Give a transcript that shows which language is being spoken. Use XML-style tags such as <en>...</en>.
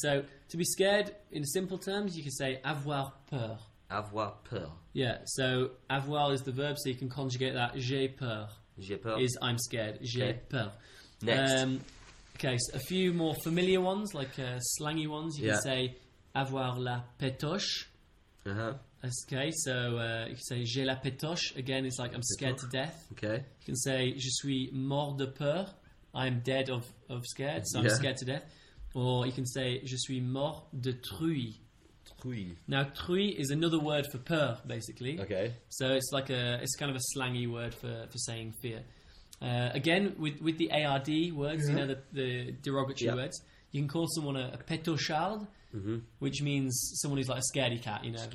<en>So to be scared, in simple terms, you can say</en> <fr>avoir peur. Avoir peur.</fr> <en>Yeah, so avoir is the verb, so you can conjugate that.</en> <fr>J'ai peur.</fr> <en>Is I'm scared.</en> <fr>J'ai peur.</fr> <en>Next. Okay, so a few more familiar ones, like slangy ones, you can say...</en> <fr>Avoir la pétoche. Uh-huh.</fr> <en>Okay, so you can say</en> <fr>j'ai la pétoche.</fr> <en>Again, it's like I'm scared to death. Okay. You can say</en> <fr>je suis mort de peur.</fr> <en>I'm dead of scared, so I'm scared to death. Or you can say</en> <fr>je suis mort de truie. Truie.</fr> <en>Now, truie is another word for peur, basically. Okay. So it's like it's kind of a slangy word for saying fear. Again, with the ARD words, you know, the derogatory words, you can call someone a pétochard. Mm-hmm. Which means someone who's like a scaredy cat, you know,</en>